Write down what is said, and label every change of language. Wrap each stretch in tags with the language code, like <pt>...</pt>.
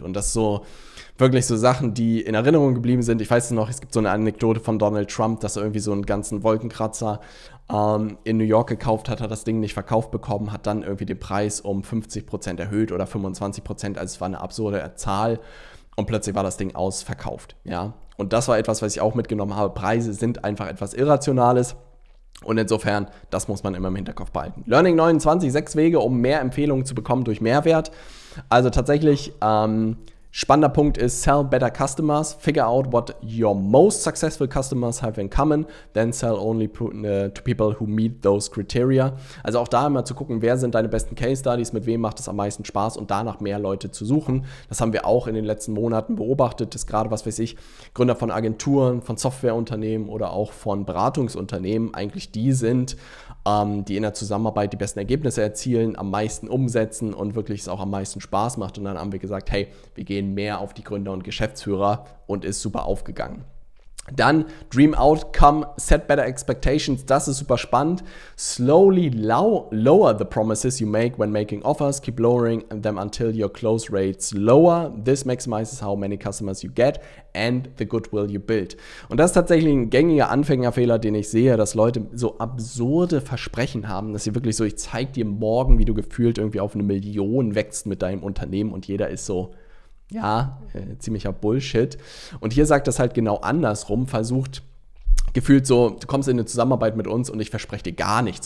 <de>Und das so wirklich so Sachen, die in Erinnerung geblieben sind. Ich weiß noch, es gibt so eine Anekdote von Donald Trump, dass er irgendwie so einen ganzen Wolkenkratzer in New York gekauft hat, hat das Ding nicht verkauft bekommen, hat dann irgendwie den Preis um 50% erhöht oder 25%, also es war eine absurde Zahl und plötzlich war das Ding ausverkauft, ja. Und das war etwas, was ich auch mitgenommen habe. Preise sind einfach etwas Irrationales und insofern, das muss man immer im Hinterkopf behalten. Learning 29, 6 Wege, um mehr Empfehlungen zu bekommen durch Mehrwert. Also tatsächlich, spannender Punkt ist,</de> <en>sell better customers, figure out what your most successful customers have in common, then sell only to people who meet those criteria.</en> <de>Also auch da immer zu gucken, wer sind deine besten Case Studies, mit wem macht es am meisten Spaß und danach mehr Leute zu suchen. Das haben wir auch in den letzten Monaten beobachtet, dass gerade, was weiß ich, Gründer von Agenturen, von Softwareunternehmen oder auch von Beratungsunternehmen eigentlich die sind, die in der Zusammenarbeit die besten Ergebnisse erzielen, am meisten umsetzen und wirklich es auch am meisten Spaß macht. Und dann haben wir gesagt, hey, wir gehen mehr auf die Gründer und Geschäftsführer und ist super aufgegangen. Dann Dream Outcome,</de> <en>Set Better Expectations,</en> <de>das ist super spannend.</de> <en>Slowly lower the promises you make when making offers, keep lowering them until your close rates lower. This maximizes how many customers you get and the goodwill you build.</en> <de>Und das ist tatsächlich ein gängiger Anfängerfehler, den ich sehe, dass Leute so absurde Versprechen haben, dass sie wirklich so, ich zeig dir morgen, wie du gefühlt irgendwie auf eine Million wächst mit deinem Unternehmen und jeder ist so, ja, ziemlicher Bullshit. Und hier sagt das halt genau andersrum, versucht gefühlt so, du kommst in eine Zusammenarbeit mit uns und ich verspreche dir gar nichts.</de>